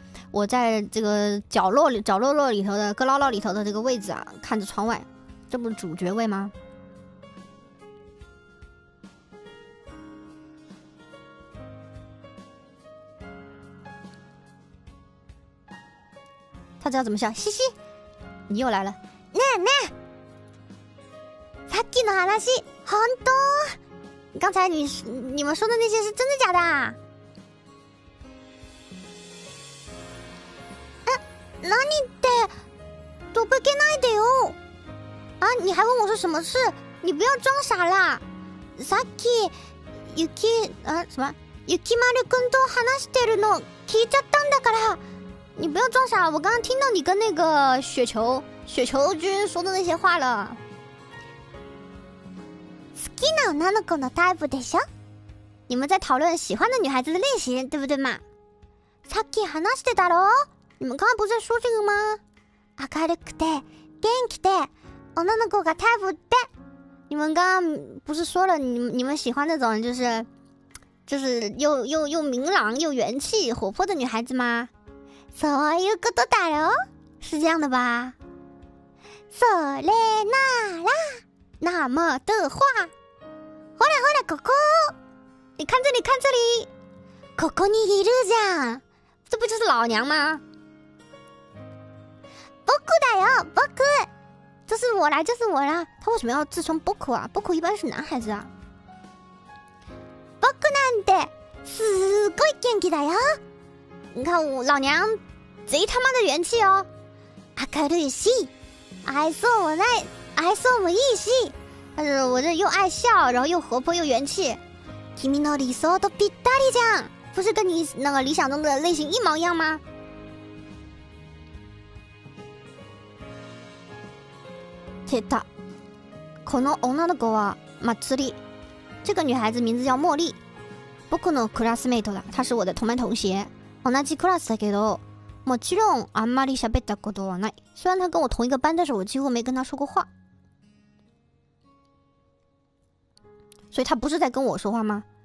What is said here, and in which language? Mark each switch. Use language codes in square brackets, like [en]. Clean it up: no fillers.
[zh] 我在这个角落落里头的阁楼楼里头的这个位置啊，看着窗外，这不是主角位吗？他知道怎么笑，嘻嘻，你又来了， [ja] ねえねえ、さっきの話、本当？ [zh] 刚才你们说的那些是真的假的？ [ja] 何って、とぼけないでよ。 [zh] 啊，你还问我是什么事？你不要装傻啦！ [ja] さっき [zh] 什么？ [ja] 雪丸くんと話してるの聞いちゃったんだから。 [zh] 你不要装傻，我刚刚听到你跟那个雪球君说的那些话了。 [ja] 好きな女の子のタイプでしょ。 [zh] 你们在讨论喜欢的女孩子的类型，对不对嘛？ [ja] さっき話してたろ。 [zh] 你们刚刚不是说这个吗？ [ja] 明るくて元気で女の子がタイプって。 [zh] 你们刚刚不是说了你们喜欢那种就是又明朗又元气活泼的女孩子吗？ [ja] そういうことだろ。 [zh] 是这样的吧？ [ja] それなら、 [zh] 那么的话。 [ja] ほらほらここ。 [zh] 你看这里，看这里。 [ja] ここにいるじゃん。 [zh] 这不就是老娘吗？ [ja] 僕だよ、僕。 [zh] 这是我啦，就是我啦。他为什么要自称僕啊？僕一般是男孩子啊。 [ja] 僕なんてすごい元気だよ。 [zh] 你看我老娘，贼他妈的元气哦。 [ja] 明るいし、愛想もない、愛想もいいし。 [zh] 但是我这又爱笑，然后又活泼又元气。 [ja] 君の理想とぴったりじゃん。 [zh] 不是跟你那个理想中的类型一毛一样吗？ [ja] 出た。この女の子は祭り。 [zh] 这个女孩子名字叫茉莉。 [ja] 僕のクラスメイトだ。 [zh] 她是我的同班同学。 [ja] 同じクラスだけど、もちろんあんまり喋ったことはない。 [zh] 虽然她跟我同一个班，但是我几乎没跟她说过话。所以她不是在跟我说话吗？